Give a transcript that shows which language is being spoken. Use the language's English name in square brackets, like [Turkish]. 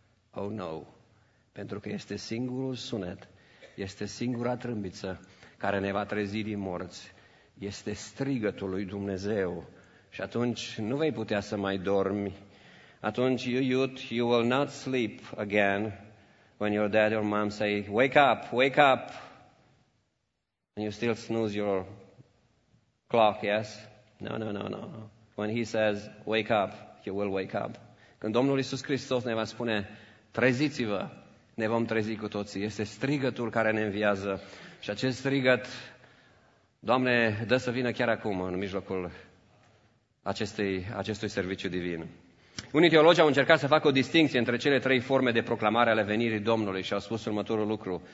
[Romanian] Oh no, pentru că este singurul sunet, este singura trâmbiță care ne va trezi din morți, este strigătul lui Dumnezeu și atunci nu vei putea să mai dormi, atunci [English] you will not sleep again. When your dad or mom say, wake up, and you still snooze your clock, yes? No. When he says, wake up, you will wake up. [Romanian] Când Domnul Iisus Hristos ne va spune, treziți-vă, ne vom trezi cu toții. Este strigătul care ne înviază. Și acest strigăt, Doamne, dă să vină chiar acum, în mijlocul acestui serviciu divin. Unii teologi au încercat să facă o distinție între cele 3 forme de proclamare ale venirii Domnului și au spus următorul lucru.